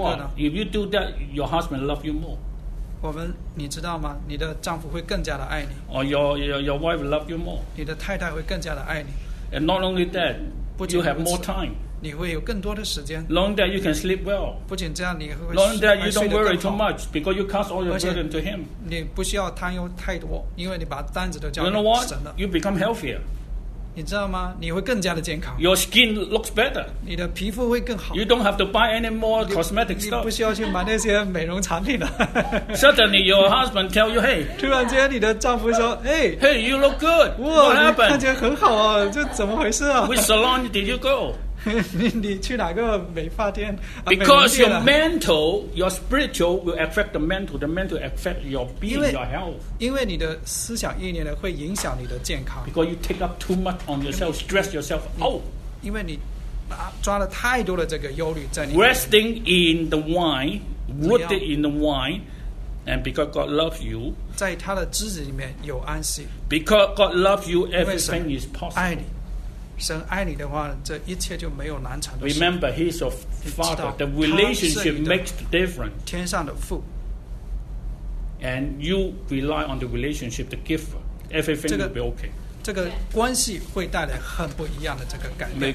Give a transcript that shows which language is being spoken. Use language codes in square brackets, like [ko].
[en] you what, if you do that, your husband will love you more. [zh] 我们，你知道吗？你的丈夫会更加的爱你。 [en] Or your wife will love you more. [zh] 你的太太会更加的爱你。 [en] And not only that, you have more time. [zh] 你会有更多的时间。 [en] Long that you can sleep well. [zh] 不仅这样，你会。 [en] Long that you don't worry too much because you cast all your burden to him. [zh] 你不需要担忧太多，因为你把担子都交给神了。 [en] You know what? You become healthier. [zh] 你知道吗？你会更加的健康。 [en] Your skin looks better. [zh] 你的皮肤会更好。 [en] You don't have to buy any more cosmetic stuff. [zh] 你不需要去买那些美容产品了。 [en] Suddenly, your husband tell you, "Hey." [zh] 突然间，你的丈夫说，哎。 [en] Hey, you look good. What happened? [zh] 看起来很好啊，这怎么回事啊 [en] ？Which salon did you go? [zh] 你去哪个美发店 [en] ？Because your mental, your spiritual will affect the mental affect your being, your health. [zh] 因为你的思想意念呢，会影响你的健康。 [en] Because you take up too much on yourself, stress yourself out. [zh] 因为你抓了太多的这个忧虑在你。 [en] Resting in the wine, rooted in the wine, and because God loves you, [zh] 在他的枝子里面有安息。 [en] Because God loves you, everything is possible. [zh] 神爱你的话，这一切就没有难成的。 [en] Remember, He's your Father. The relationship makes the difference. [zh] 天上的父。 [en] And you rely on the relationship, the giver. Everything will be okay. [zh] 这个关系会带来很不一样的这个改变。